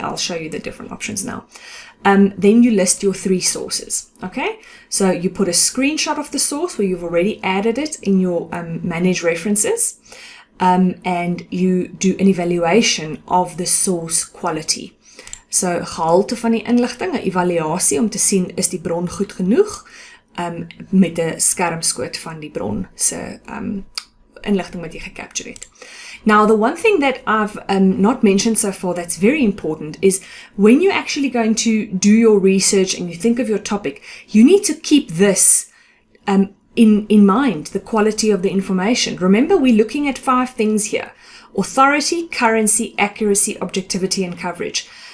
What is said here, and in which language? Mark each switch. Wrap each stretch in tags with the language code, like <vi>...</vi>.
<en>I'll show you the different options now. Then you list your three sources. Okay. So you put a screenshot of the source where you've already added it in your manage references. And you do an evaluation of the source quality.</en> <af>So, gehalte van die inligting, 'n evaluasie om te sien is die bron goed genoeg, met 'n skermskoot van die bron se inligting wat jy gecapture het.</af> <en>Now, the one thing that I've not mentioned so far that's very important is when you're actually going to do your research and you think of your topic, you need to keep this in mind, the quality of the information. Remember, we're looking at five things here: authority, currency, accuracy, objectivity, and coverage.</en>